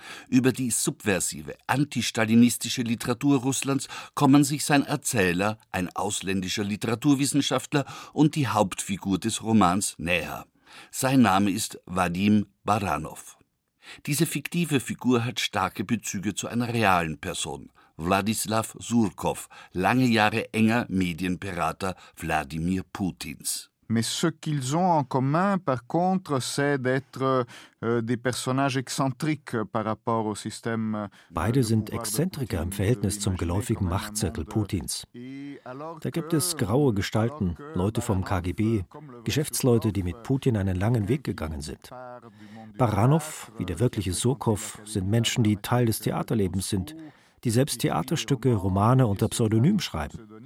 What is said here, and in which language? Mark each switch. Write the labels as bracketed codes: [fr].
[de] Über die subversive, antistalinistische Literatur Russlands kommen sich sein Erzähler, ein ausländischer Literaturwissenschaftler und die Hauptfigur des Romans näher. Sein Name ist Vadim Baranov. Diese fiktive Figur hat starke Bezüge zu einer realen Person, Wladislaw Surkow, lange Jahre enger Medienberater Wladimir Putins. [fr] Mais ce qu'ils ont en commun, par contre, c'est d'être des personnages excentriques par rapport au système. [de] Beide sind Exzentriker im Verhältnis zum geläufigen Machtzirkel Putins. Da gibt es graue Gestalten, Leute vom KGB, Geschäftsleute, die mit Putin einen langen Weg gegangen sind. Baranov, wie der wirkliche Surkow, sind Menschen, die Teil des Theaterlebens sind, die selbst Theaterstücke, Romane unter Pseudonym schreiben.